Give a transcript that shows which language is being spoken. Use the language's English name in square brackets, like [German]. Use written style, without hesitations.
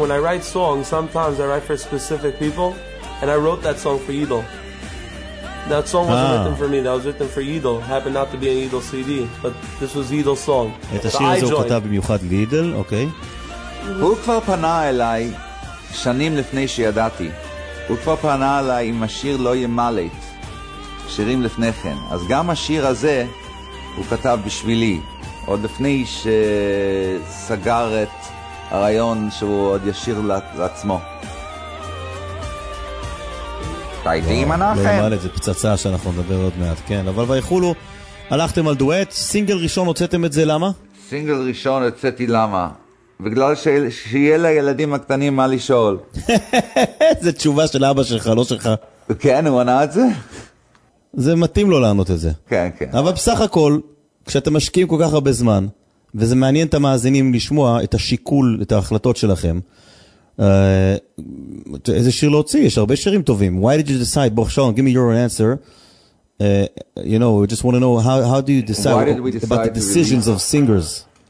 [English] When I write songs, sometimes I write for specific people, and I wrote that song for Yidol. That song wasn't written for me. That was written for Yidol. Happened not to be an Yidol CD, but this was Yidol's song. [Hebrew] את השיר הזה הוא כתב במיוחד לידל, אוקיי. הוא כבר פנה אליי שנים לפני שידעתי. הוא כבר פנה אליי עם השיר לא ימלט, שירים לפני כן. אז גם השיר הזה הוא כתב בשבילי, עוד לפני שסגר את הרעיון שהוא עוד ישיר לעצמו. תהייתים אנחנו? לא ימלט, זה פצצה שאנחנו נדבר עוד מעט, כן. אבל ויכולו, הלכתם על דואט, סינגל ראשון הוצאתם את זה, למה? סינגל ראשון הוצאתי למה? בגלל שיהיה לילדים הקטנים מה לשאול. זה תשובה של אבא שלך, לא שלך. כן, הוא ענה את זה? זה מתאים לו לענות את זה. כן, כן. אבל בסך הכל, כשאתם משקיעים כל כך הרבה זמן, וזה מעניין את המאזינים לשמוע את השיקול, את ההחלטות שלכם, איזה שיר להוציא? יש הרבה שירים טובים. [English] Why did you decide, בוא שאול, give me your answer. You know, we just want to know how do you decide about the decisions of singers.